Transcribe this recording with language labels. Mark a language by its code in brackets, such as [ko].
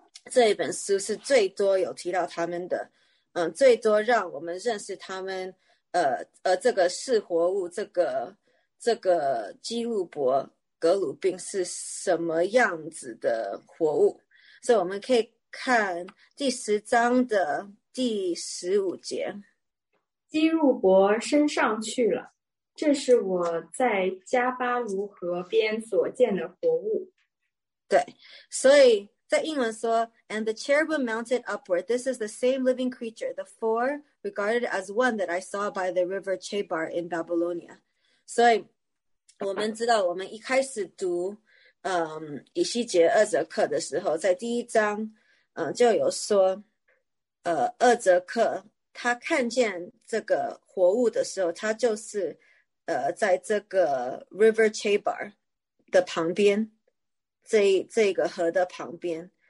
[zh] 这一本书是最多有提到他们的，最多让我们认识他们这个四活物，这个基路伯格鲁宾是什么样子的活物。所以我们可以看第十章的第十五节，基路伯升上去了，这是我在加巴卢河边所见的活物。对，所以在英文说 [en] And the cherubim mounted upward, this is the same living creature, the four regarded as one that I saw by the river Chebar in Babylonia. [zh] 所以我们知道我们一开始读以西结二则课的时候，在第一章就有说厄泽克他看见这个活物的时候，他就是在这个 River Chebar 的旁边，这个河的旁边。